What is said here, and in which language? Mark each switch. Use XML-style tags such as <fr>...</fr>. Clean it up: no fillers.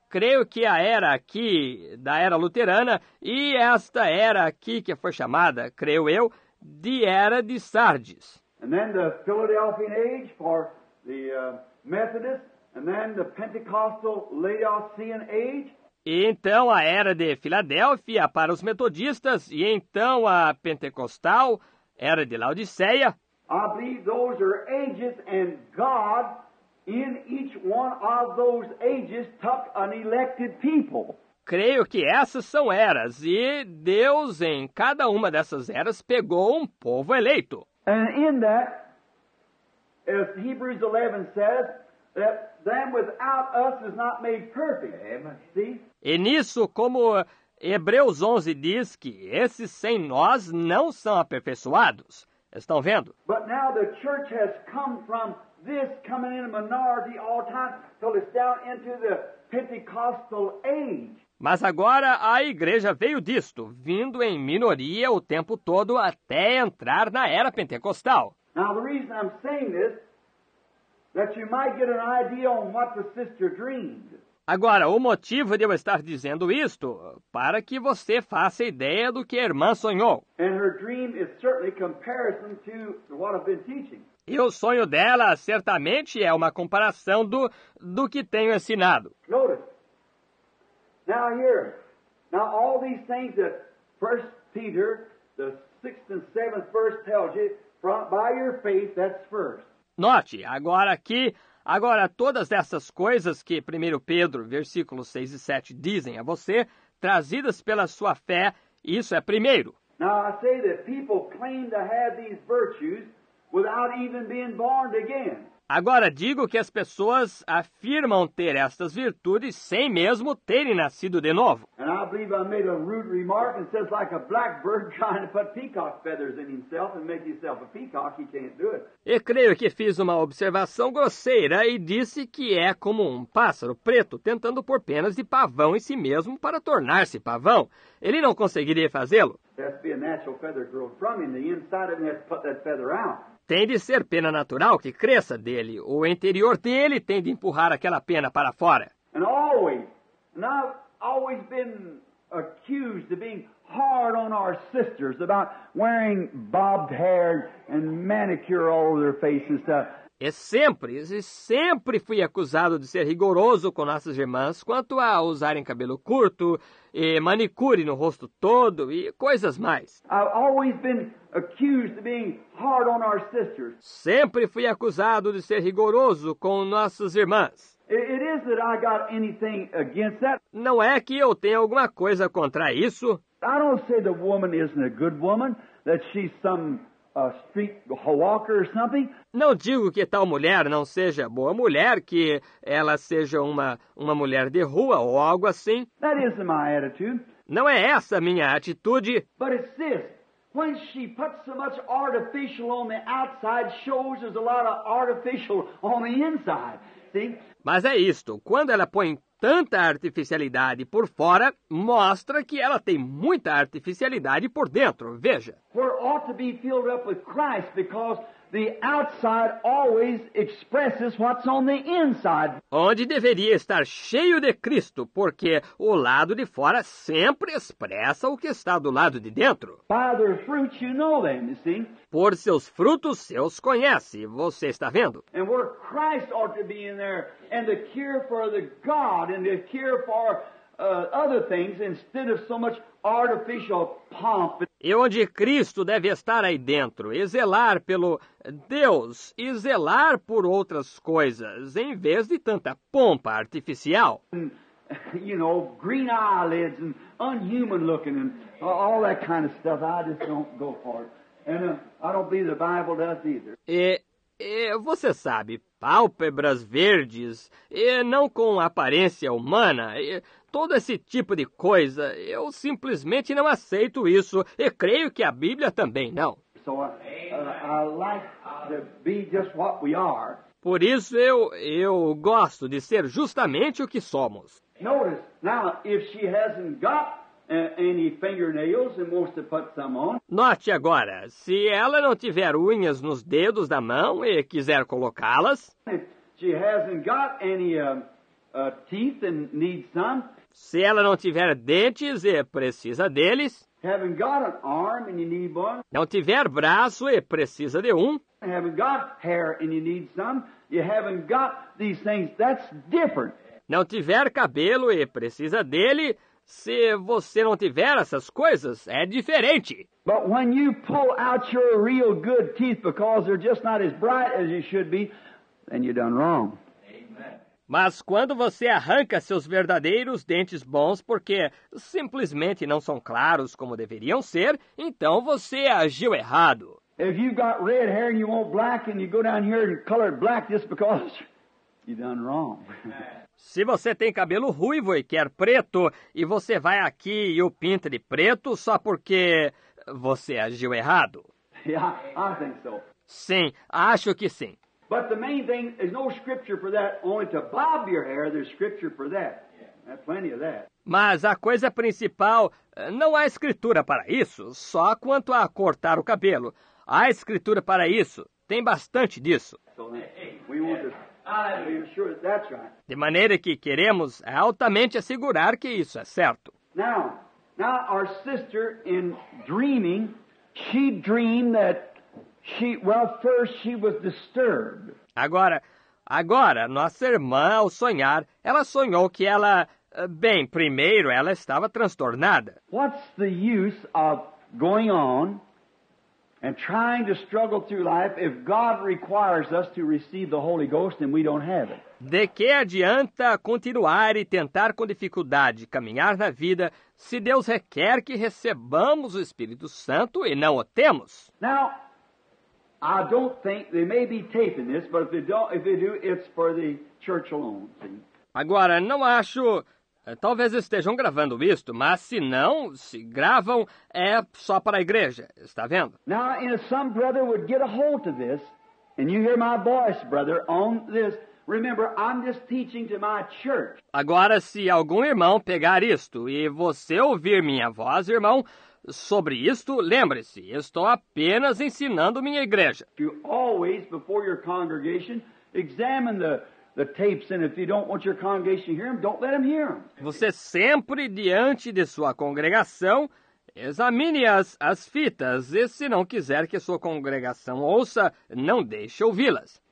<pt>Creio que a era aqui da era luterana e esta era aqui que foi chamada, creio eu, de era de Sardes.</pt> <en>And then the Philadelphian age for the Methodist, and then the Pentecostal Laodicean age.</en> <pt>E então a era de Filadélfia para os metodistas e então a Pentecostal era de Laodiceia.</pt> <en>I believe those are ages and God in each one of those ages took an elected people.</en> <pt>Creio que essas são eras e Deus em cada uma dessas eras pegou um povo eleito.</pt> <en>And in that, as Hebrews 11 says, that them without us is not made perfect.</en> <pt>E nisso, como Hebreus 11 diz, que esses sem nós não são aperfeiçoados. Estão vendo?</pt> <en>But now the church has come from this coming in a minority all time till it's down into the Pentecostal age.</en> <pt>Mas agora a igreja veio disto, vindo em minoria o tempo todo até entrar na era pentecostal.</pt> <en>Now the reason I'm saying this, that you might get an idea on what the sister dreamed.</en> <pt>Agora, o motivo de eu estar dizendo isto, para que você faça ideia do que a irmã sonhou.</pt> <en>And her dream is certainly comparison to what I've been teaching.</en> <pt>E o sonho dela certamente é uma comparação do que tenho ensinado.</pt> <en>Notice. Now here. Now all these things that 1 Peter, the 6th and 7th verse tells you, from, by your faith, that's first.</en> <pt>Note, agora aqui, agora todas essas coisas que 1 Pedro, versículos 6 e 7, dizem a você, trazidas pela sua fé, isso é primeiro.</pt> <en>Now I say that people claim to have these virtues without even being born again.</en> <pt>Agora digo que as pessoas afirmam ter estas virtudes sem mesmo terem nascido de novo.</pt> <en>And I believe I made a rude remark and says like a black bird trying to put peacock feathers in himself and make himself a peacock, he can't do it.</en> <pt>E creio que fiz uma observação grosseira e disse que é como um pássaro preto tentando pôr penas de pavão em si mesmo para tornar-se pavão. Ele não conseguiria fazê-lo.</pt> <en>That's be a natural feather growth from him. The inside of him has to put that feather out.</en> <pt>Tem de ser pena natural que cresça dele. O interior dele tem de empurrar aquela pena para fora.</pt> <en>And always, and I've always been accused of being hard on our sisters about wearing bobbed hair and manicure all over their faces and stuff.</en> <pt>E sempre fui acusado de ser rigoroso com nossas irmãs quanto a usarem cabelo curto e manicure no rosto todo e coisas mais.</pt> <en>I've always been accused of being hard on our sisters.</en> <pt>Sempre fui acusado de ser rigoroso com nossas irmãs.</pt> <en>It is that I got anything against that.</en> <pt>Não é que eu tenha alguma coisa contra isso.</pt> <en>I don't say the woman isn't a good woman, that she's some a street walker or something.</en> <pt>Não digo que tal mulher não seja boa mulher, que ela seja uma mulher de rua ou algo assim.</pt> <en>That isn't my attitude.</en> <pt>Não é essa a minha atitude.</pt> <en>But it's this. When she puts so much artificial on the outside, shows there's a lot of artificial on the inside. See?</en> <pt>Mas é isto. Quando ela põe tanta artificialidade por fora, mostra que ela tem muita artificialidade por dentro. Veja.</pt> <en>Where ought to be filled up with Christ, because the outside always expresses what's on the inside.</en> <pt>Onde deveria estar cheio de Cristo, porque o lado de fora sempre expressa o que está do lado de dentro.</pt> <en>By their fruits you know them, you see?</en> <pt>Por seus frutos seus conhece, você está vendo?</pt> <en>And where Christ ought to be in there, and the cure for the God, and the cure for other things, instead of so much artificial pomp.</en> <pt>E onde Cristo deve estar aí dentro, e zelar pelo Deus, e zelar por outras coisas, em vez de tanta pompa artificial.</pt> <en>And, you know, green eyelids and unhuman looking and all that kind of stuff, I just don't go for it. And I don't believe the Bible does either.</en> <pt>E você sabe, pálpebras verdes, e não com aparência humana, e todo esse tipo de coisa, eu simplesmente não aceito isso, e creio que a Bíblia também não.</pt> <en>So I like to be just what we are.</en> <pt>Por isso eu gosto de ser justamente o que somos.</pt> <en>Notice, now, if she hasn't got any fingernails and wants to put some on.</en> <pt>Note agora, se ela não tiver unhas nos dedos da mão e quiser colocá-las.</pt> <en>She hasn't got any teeth and needs some.</en> <pt>Se ela não tiver dentes e precisa deles.</pt> <en>Haven't got an arm and you need one.</en> <pt>Não tiver braço e precisa de um.</pt> <en>Haven't got hair and you need some. You haven't got these things. That's different.</en> <pt>Não tiver cabelo e precisa dele. Se você não tiver essas coisas, é diferente.</pt> <en>But when you pull out your real good teeth because they're just not as bright as you should be, then you've done wrong.</en> <pt>Mas quando você arranca seus verdadeiros dentes bons porque simplesmente não são claros como deveriam ser, então você agiu errado.</pt> <en>If you've got red hair and you want black and you go down here and color it black just because you've done wrong.</en> <pt>Se você tem cabelo ruivo e quer preto, e você vai aqui e o pinta de preto só porque você agiu errado.</pt> <en>Yeah, I think so.</en> <pt>Sim, acho que sim.</pt> <en>But the main thing is no scripture for that, only to bob your hair, there's scripture for that. Yeah, plenty of that.</en> <pt>Mas a coisa principal, não há escritura para isso, só quanto a cortar o cabelo. Há escritura para isso, tem bastante disso.</pt> <en>So then, we want to... I'm sure that's right.</en> <pt>De maneira que queremos altamente assegurar que isso é certo.</pt> <en>Now our sister in dreaming, she dreamed that she, well, first she was disturbed.</en> <pt>Agora, nossa irmã, ao sonhar, ela sonhou que ela, bem, primeiro ela estava transtornada.</pt> <en>What's the use of going on and trying to struggle through life if God requires us to receive the Holy Ghost and we don't have it?</en> <pt>De que adianta continuar e tentar com dificuldade caminhar na vida se Deus requer que recebamos o Espírito Santo e não o temos?</pt> <en>Now, I don't think they may be taping this, but if they do, it's for the church alone. See?</en> <pt>Agora, não acho. Talvez estejam gravando isto, mas se não, se gravam, é só para a igreja, está vendo?</pt> <en>Now, if some brother would get a hold of this, and you hear my voice, brother, on this, remember, I'm just teaching to my church.</en> <pt>Agora, se algum irmão pegar isto e você ouvir minha voz, irmão, sobre isto, lembre-se, estou apenas ensinando minha igreja.</pt> <en>You always, before your congregation, examine the tapes, and if you don't want your congregation to hear them, don't let them hear them.</en> <pt>Você sempre diante de sua congregação, examine as fitas, e se não quiser que sua congregação ouça, não deixe ouvi-las.</pt>